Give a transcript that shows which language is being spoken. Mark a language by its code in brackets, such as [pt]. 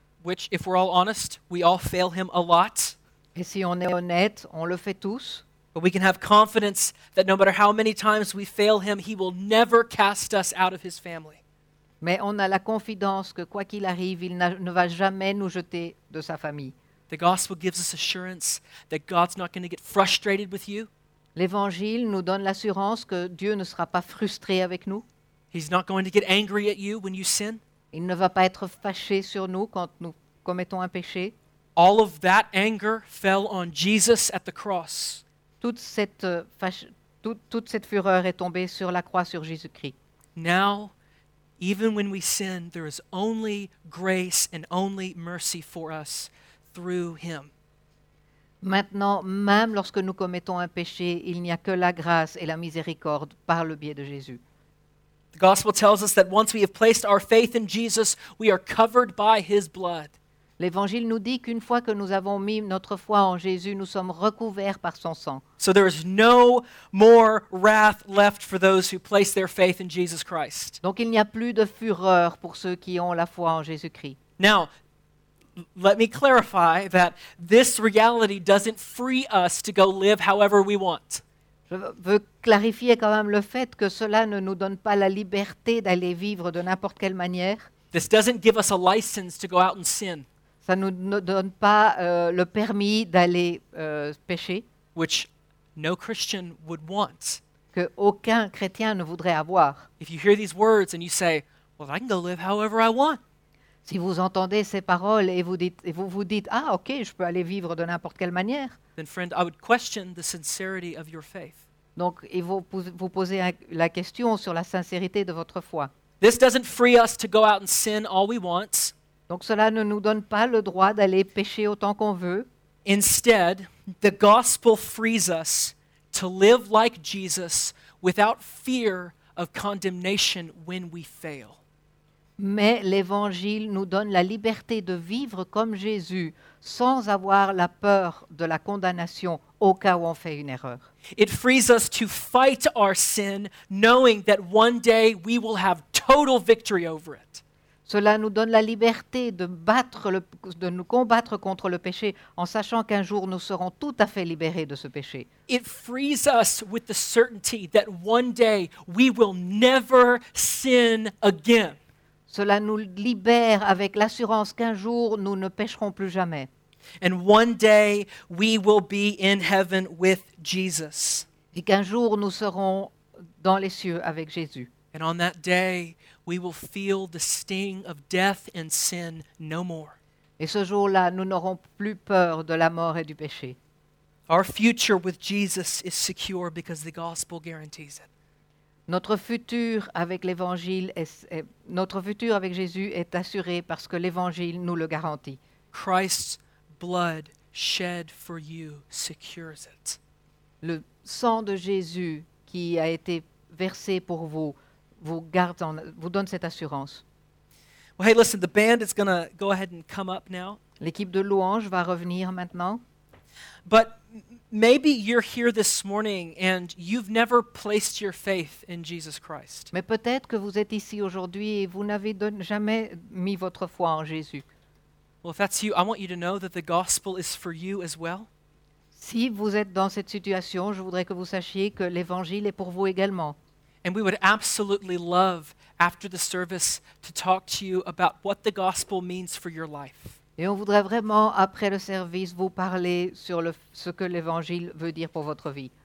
[en] Which, if we're all honest, we all fail him a lot. [fr] Et si on est honnête, on le fait tous. [en] But we can have confidence that no matter how many times we fail him, he will never cast us out of his family. [fr] Mais on a la confiance que quoi qu'il arrive, il ne va jamais nous jeter de sa famille. [en] The gospel gives us assurance that God's not going to get frustrated with you. [fr] L'évangile nous donne l'assurance que Dieu ne sera pas frustré avec nous. [en] He's not going to get angry at you when you sin. [fr] Il ne va pas être fâché sur nous quand nous commettons un péché. [en] All of that anger fell on Jesus at the cross. [fr] Toute cette fureur est tombée sur la croix sur Jésus-Christ. [en] Now, even when we sin, there is only grace and only mercy for us through him. [fr] Maintenant, même lorsque nous commettons un péché, il n'y a que la grâce et la miséricorde par le biais de Jésus. [en] The gospel tells us that once we have placed our faith in Jesus, we are covered by his blood. [fr] L'évangile nous dit qu'une fois que nous avons mis notre foi en Jésus, nous sommes recouverts par son sang. [en] So there is no more wrath left for those who place their faith in Jesus Christ. [fr] Donc il n'y a plus de fureur pour ceux qui ont la foi en Jésus-Christ. [en] Now, let me clarify that this reality doesn't free us to go live however we want. [fr] Je veux clarifier quand même le fait que cela ne nous donne pas la liberté d'aller vivre de n'importe quelle manière. [en] This doesn't give us a license to go out and sin. [fr] Ça ne nous donne pas le permis d'aller pécher. [en] Which no Christian would want. [fr] Que aucun chrétien ne voudrait avoir. [en] If you hear these words and you say, well, I can go live however I want. [fr] Si vous entendez ces paroles et vous dites, ah, ok, je peux aller vivre de n'importe quelle manière. [en] Then friend, I would question the sincerity of your faith. [fr] Donc, et vous posez la question sur la sincérité de votre foi. [en] This doesn't free us to go out and sin all we want. [fr] Donc cela ne nous donne pas le droit d'aller pécher autant qu'on veut. [en] Instead, the gospel frees us to live like Jesus without fear of condemnation when we fail. [fr] Mais l'évangile nous donne la liberté de vivre comme Jésus sans avoir la peur de la condamnation au cas où on fait une erreur. [en] It frees us to fight our sin knowing that one day we will have total victory over it. [fr] Cela nous donne la liberté de nous combattre contre le péché en sachant qu'un jour nous serons tout à fait libérés de ce péché. [en] It frees us with the certainty that one day we will never sin again. [fr] Cela nous libère avec l'assurance qu'un jour nous ne pécherons plus jamais. [en] And one day we will be in heaven with Jesus. [fr] Et qu'un jour nous serons dans les cieux avec Jésus. [en] And on that day we will feel the sting of death and sin no more. [fr] Et ce jour-là, nous n'aurons plus peur de la mort et du péché. [en] Our future with Jesus is secure because the gospel guarantees it. [fr] Notre futur avec l'évangile notre futur avec Jésus est assuré parce que l'évangile nous le garantit. [en] Christ's blood shed for you secures it. [fr] Le sang de Jésus qui a été versé pour vous vous donne cette assurance. [en] Well, hey, listen, the band is going to go ahead and come up now. [fr] L'équipe de louange va revenir maintenant. [en] But maybe you're here this morning and you've never placed your faith in Jesus Christ. [fr] Mais peut-être que vous êtes ici aujourd'hui et vous n'avez jamais mis votre foi en Jésus. [en] Well, if that's you, I want you to know that the gospel is for you as well. [fr] Si vous êtes dans cette situation, je voudrais que vous sachiez que l'évangile est pour vous également. [en] And we would absolutely love after the service to talk to you about what the gospel means for your life. [fr] Et on voudrait vraiment, après le service, vous parler sur ce que l'Évangile veut dire pour votre vie.